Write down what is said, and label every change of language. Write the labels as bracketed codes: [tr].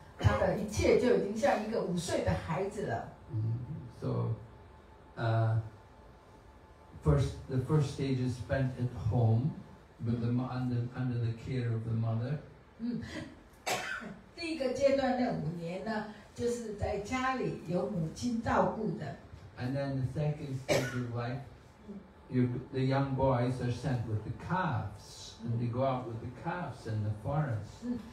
[zh] Krishna在3岁4个月大的时候都已经长得像他的一切就已经像一个5岁的孩子了。 [en] Mm-hmm. So, the first stage is spent at home with the under the care of the mother. [zh] 第一个阶段那五年呢，就是在家里有母亲照顾的。 [en] And then the second stage of life, the young boys are sent with the calves, and they go out with the calves in the forest.